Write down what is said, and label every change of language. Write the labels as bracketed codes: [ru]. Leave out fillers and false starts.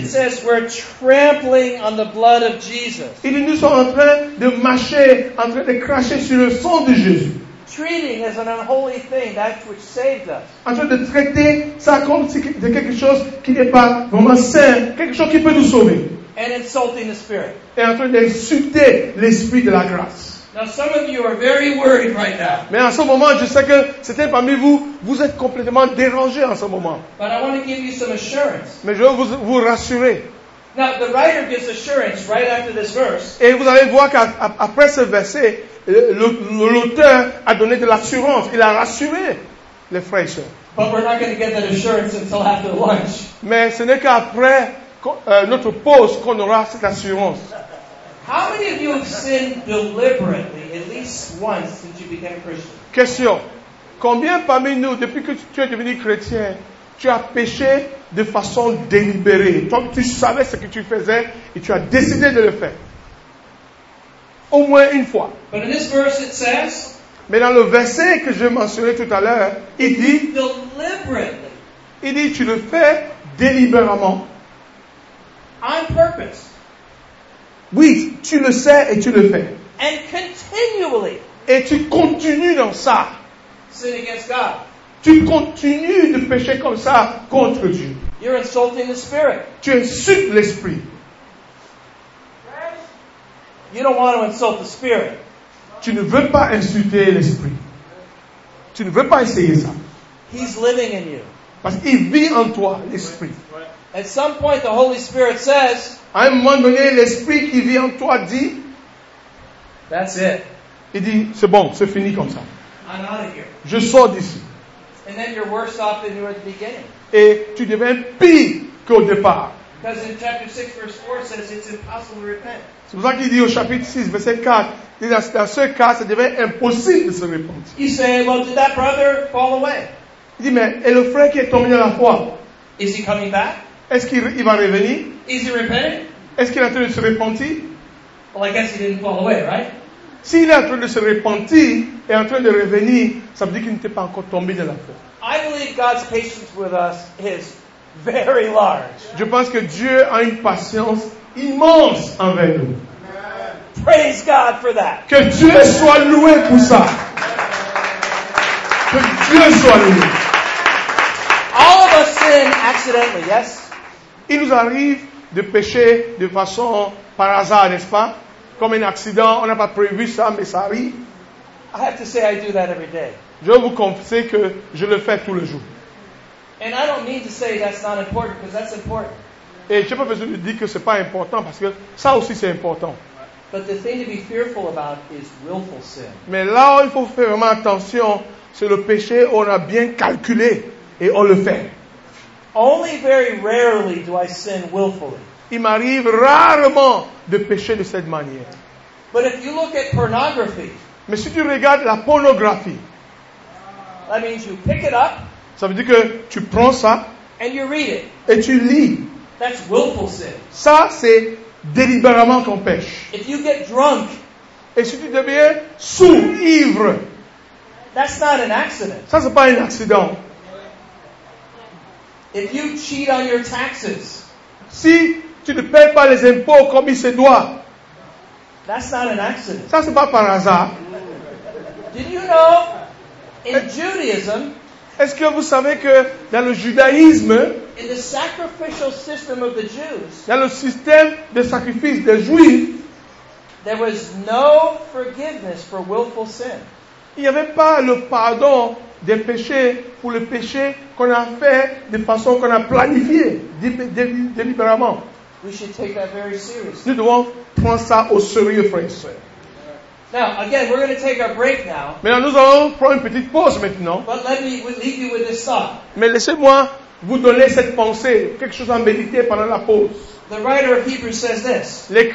[en] It says we're trampling on the blood of Jesus. [fr] Il dit, nous sommes en train de marcher, en train de cracher sur le sang de Jésus. [en] Treating as an unholy thing, that which saved us. [fr] En train de traiter ça comme si de quelque chose qui n'est pas vraiment saint, quelque chose qui peut nous sauver. [en] And insulting the Spirit. [fr] Et en train d'insulter l'Esprit de la grâce. [en] Now some of you are very worried right now. [fr] Mais en ce moment, je sais que certains parmi vous, vous êtes complètement dérangés en ce moment. [en] But I want to give you some assurance. [fr] Mais je veux vous rassurer. [en] Now the writer gives assurance right after this verse. [fr] Et vous allez voir qu'après ce verset, l'auteur a donné de l'assurance. Il a rassuré les frères et sœurs. [en] But we're not going to get that assurance until after lunch. [fr] Mais ce n'est qu'après notre pause qu'on aura cette assurance. [en] How many of you have sinned deliberately at least once since you became Christian? [fr] Question. Combien parmi nous, depuis que tu es devenu chrétien, tu as péché de façon délibérée? Toi, tu savais ce que tu faisais et tu as décidé de le faire. Au moins une fois. [en] But in this verse it says, [fr] mais dans le verset que je mentionnais tout à l'heure, il dit, [en] deliberately, [fr] il dit, tu le fais délibérément. [en] On purpose. [fr] Oui, tu le sais et tu le fais. [en] And continually. [fr] Et tu continues dans ça. [en] Sin against God. [fr] Tu continues de pécher comme ça contre Dieu. [en] You're insulting the Spirit. [fr] Tu insultes l'Esprit. [en] You don't want to insult the Spirit. [fr] Tu ne veux pas insulter l'Esprit. Tu ne veux pas essayer ça. [en] He's living in you. [fr] Parce qu'il vit en toi, l'Esprit. [en] At some point, the Holy Spirit says, [fr] à un moment donné, l'Esprit qui vit en toi dit, [en] that's it. [fr] Il dit, c'est bon, c'est fini comme ça. [en] I'm out of here. [fr] Je sors d'ici. [en] And then you're worse off than you were at the beginning. [fr] Et tu deviens pire qu'au départ. [en] Because in chapter 6, verse 4, it says it's impossible to repent. [fr] C'est pour ça qu'il dit au chapitre 6, verset 4, dans ce cas, ça devient impossible de se répandre. [en] You say, well, did that brother fall away? [fr] Il dit, mais et le frère qui est tombé dans la foi, [en] is he coming back? [fr] Est-ce qu'il va revenir? [en] Is he repenting? [fr] Est-ce qu'il est en train de se repentir? [en] Well, I guess he didn't fall away, right? [fr] S'il est en train de se repentir et en train de revenir, ça veut dire qu'il n'était pas encore tombé dans la foi. [en] I believe God's patience with us is very large. [fr] Je pense que Dieu a une patience immense envers nous. [en] Praise God for that. [fr] Que Dieu soit loué pour ça. Que Dieu soit loué. [en] All of us sin accidentally, yes? [fr] Il nous arrive de pécher de façon par hasard, n'est-ce pas? Comme un accident, on n'a pas prévu ça, mais ça arrive. [en] I have to say I do that every day. [fr] Je vous confesse que je le fais tous les jours. [en] And I don't mean to say that's not important, because that's important. [fr] Et je n'ai pas besoin de dire que ce n'est pas important, parce que ça aussi c'est important. [en] But the thing to be fearful about is willful sin. [fr] Mais là où il faut faire vraiment attention, c'est le péché où on a bien calculé et on le fait. [en] Only very rarely do I sin willfully. [fr] Il m'arrive rarement de pécher de cette manière. [en] But if you look at pornography, [fr] mais si tu regardes la pornographie, [en] that means you pick it up, [fr] ça veut dire que tu prends ça [en] and you read it. [fr] Et tu lis. [en] That's willful sin. [fr] Ça, c'est délibérément qu'on pêche. [en] If you get drunk, [fr] et si tu deviens sous-ivre, [en] that's not an accident. [fr] Ça, ce n'est pas un accident. [en] If you cheat on your taxes, [fr] si tu ne payes pas les impôts comme il se doit, [en] that's not an accident. [fr] Ça, ce n'est pas par hasard. [en] Did you know, in Judaism, [fr] est-ce que vous savez que dans le judaïsme, [en] in the sacrificial system of the Jews, [fr] dans le système de sacrifice des Juifs, [en] there was no forgiveness for willful sin. [fr] Il n'y avait pas le pardon des péchés pour le péché qu'on a fait de façon qu'on a planifié délibérément. [en] We should take that very seriously. [fr] Nous devons prendre ça au sérieux, frères. [en] Now, again, we're going to take our break now. [fr] Maintenant, nous allons prendre une petite pause maintenant. [en] But let me leave you with this thought. [fr] Mais laissez-moi vous donner cette pensée, quelque chose à méditer pendant la pause. [en] The writer of Hebrews says this.